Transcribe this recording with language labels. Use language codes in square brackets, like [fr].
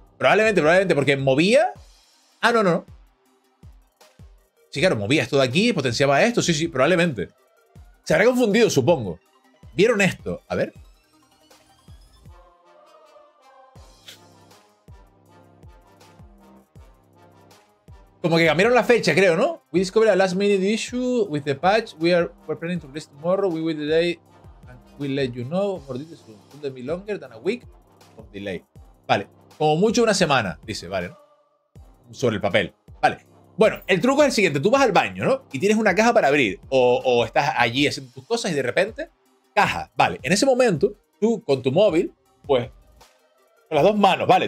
[es] Probablemente, porque movía. Ah, no, no, no. Sí, claro, movía esto de aquí, potenciaba esto. Sí, sí, probablemente. Se habrá confundido, supongo. ¿Vieron esto? A ver. Como que cambiaron la fecha, creo, ¿no? [en] We discovered a last minute issue with the patch. We're planning to release tomorrow. We will delay and we'll let you know. More details will be longer than a week of delay. [es] Vale. Como mucho una semana, dice, vale, ¿no? Sobre el papel. Vale. Bueno, el truco es el siguiente. Tú vas al baño, ¿no? Y tienes una caja para abrir. O estás allí haciendo tus cosas y de repente, caja. Vale. En ese momento, tú con tu móvil, pues... Con las dos manos, vale.